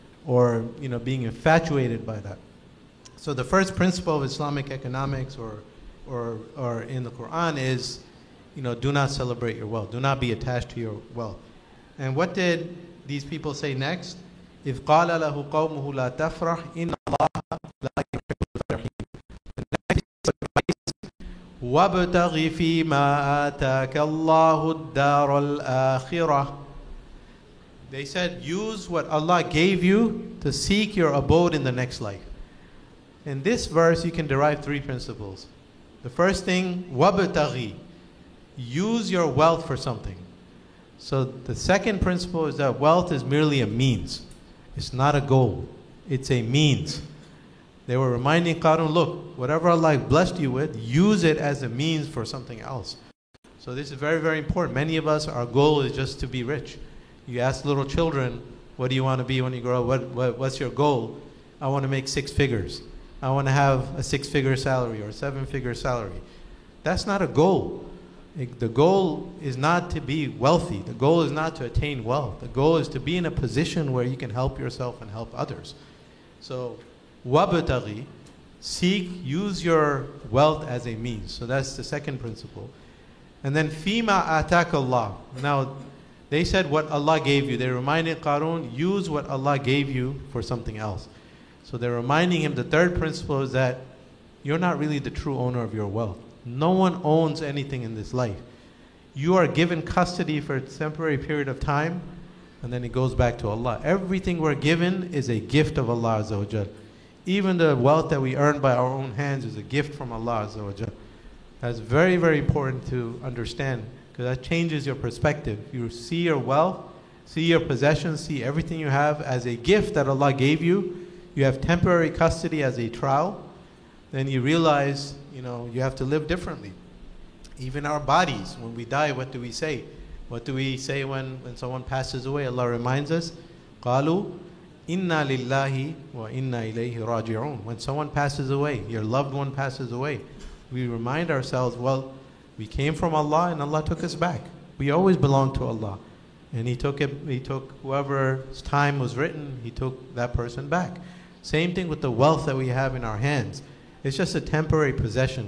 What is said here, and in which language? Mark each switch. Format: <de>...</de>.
<en>Or, you know, being infatuated by that. So the first principle of Islamic economics or in the Quran is, you know, do not celebrate your wealth. Do not be attached to your wealth. And what did these people say next?</en> <ar>إِذْ قَالَ لَهُ قَوْمُهُ لَا تَفْرَحْ إِنَّ اللَّهَ لَا يُحِبُّ الْفَرِحِينَ.</ar> <en>The next advice,</en> <ar>وَابْتَغِ فِي مَا آتَاكَ اللَّهُ الدَّارُ الْآخِرَةِ.</ar> <en>They said, use what Allah gave you to seek your abode in the next life. In this verse, you can derive three principles. The first thing, وَابْتَغِ. Use your wealth for something. So the second principle is that wealth is merely a means. It's not a goal. It's a means. They were reminding Qarun, look, whatever Allah blessed you with, use it as a means for something else. So this is very, very important. Many of us, our goal is just to be rich. You ask little children, what do you want to be when you grow up? What's your goal? I want to make six figures. I want to have a six-figure salary or a seven-figure salary. That's not a goal. The goal is not to be wealthy. The goal is not to attain wealth. The goal is to be in a position where you can help yourself and help others. So, وَابْتَغِي, seek, use your wealth as a means. So that's the second principle. And then,</en> <ar>فِيمَا أَتَاكَ اللَّهُ.</ar> <en>Now, they said what Allah gave you. They reminded Qarun, use what Allah gave you for something else. So they're reminding him, the third principle is that you're not really the true owner of your wealth. No one owns anything in this life. You are given custody for a temporary period of time, and then it goes back to Allah. Everything we're given is a gift of Allah Azza wa Jal. Even the wealth that we earn by our own hands is a gift from Allah Azza wa Jal. That's very, very important to understand, because that changes your perspective. You see your wealth, see your possessions, see everything you have as a gift that Allah gave you. You have temporary custody as a trial. Then you realize, you know, you have to live differently. Even our bodies, when we die, what do we say? What do we say when someone passes away? Allah reminds us,</en> <ar>قَالُوا إِنَّا لِلَّهِ وَإِنَّا إِلَيْهِ رَاجِعُونَ.</ar> <en>When someone passes away, your loved one passes away, we remind ourselves, well, we came from Allah and Allah took us back. We always belong to Allah. And He took whoever's time was written, He took that person back. Same thing with the wealth that we have in our hands. It's just a temporary possession.</en>